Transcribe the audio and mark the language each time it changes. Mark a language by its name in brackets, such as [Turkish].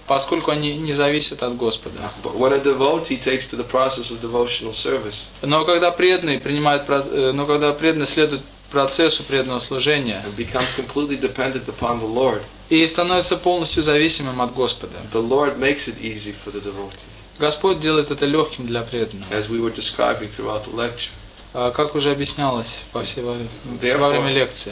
[Russian] Поскольку они не зависят от Господа. [English] But when a devotee takes to the process of devotional service. [Russian] Но когда преданный следует процессу преданного служения. [English] And becomes completely dependent upon the Lord. [Russian] И становится полностью зависимым от Господа. [English] The Lord makes it easy for the devotee. [Russian] Господь делает это легким для преданного. [English] As we were describing throughout the lecture. [Russian] Как уже объяснялось во время лекции.